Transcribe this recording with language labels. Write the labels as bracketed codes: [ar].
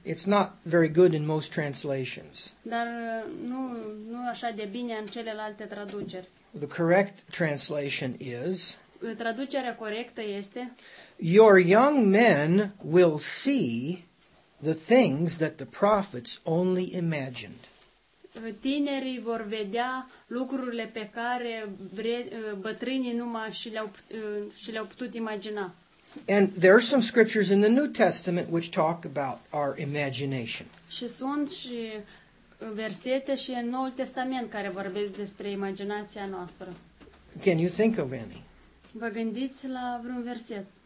[en] It's not very good in most translations. [ro] Dar nu așa de bine în celelalte traduceri. [en] The correct translation is. [ro] Traducerea corectă este. [en] Your young men will see the things that the prophets only imagined. [ro] Tinerii vor vedea lucrurile pe care bătrânii numai și le-au putut imagina. [en] And there are some scriptures in the New Testament which talk about our imagination. [ro] Și sunt și versete și în Noul Testament care vorbesc despre imaginația noastră. [en] Can you think of any? [ro] Vă gândiți la vreun verset?